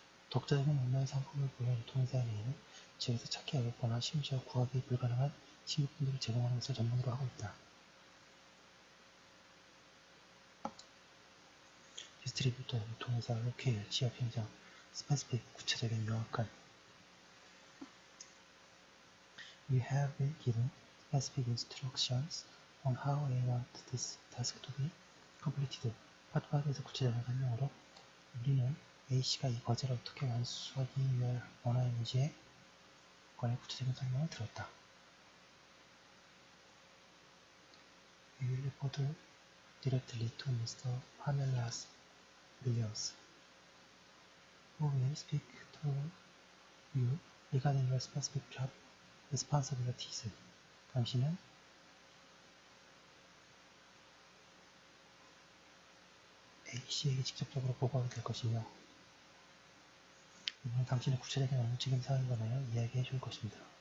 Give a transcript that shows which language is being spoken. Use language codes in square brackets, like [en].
[ko] 독자적인 온라인 상품을 보유한 유통사에게는 집에서 찾기 어렵거나 심지어 구하기 불가능한 식료품들을 제공하는 것을 전문으로 하고 있다. 디스트리뷰터, 유통사, 로케일, 지역 현장, 스페시픽, 구체적인 명확한. [en] We have been given specific instructions on how we want this task to be completed. [ko] 파트파트에서 구체적인 설명으로 우리는 A씨가 이 과제를 어떻게 완수하기를 원하는지에 관해 구체적인 설명을 들었다. [en] We will report directly to Mr. Pamela's Williams, who will speak to you regarding your specific job responsibilities. [ko] 당신은 A씨에게 직접적으로 보고하게 될 것이며, 이건 당신의 구체적인 업무 책임 사항이거 나요 이야기해 줄 것입니다.